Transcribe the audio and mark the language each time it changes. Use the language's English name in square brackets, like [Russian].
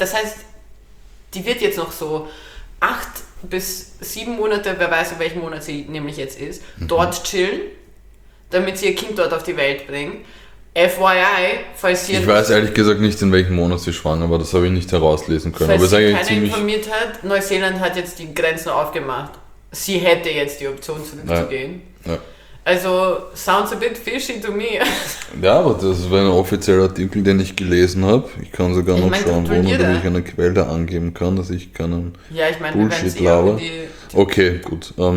[German] Das heißt, die wird jetzt noch so 8 bis 7 Monate, wer weiß, in welchem Monat sie nämlich jetzt ist, dort chillen, damit sie ihr Kind dort auf die Welt bringt. FYI, falls sie... Ich weiß ehrlich gesagt nicht, in welchem Monat sie schwanger war, das habe ich nicht herauslesen können. Falls sie keiner informiert hat, Neuseeland hat jetzt die Grenzen aufgemacht. Sie hätte jetzt die Option, zurückzugehen. Ja. [English] Also, sounds a bit fishy to me. [German] Ja, aber das war ein offizieller Artikel, den ich gelesen habe. Ich kann sogar noch schauen, wo man mich eine Quelle angeben kann, dass ich keinen Bullshit labere. Okay, gut.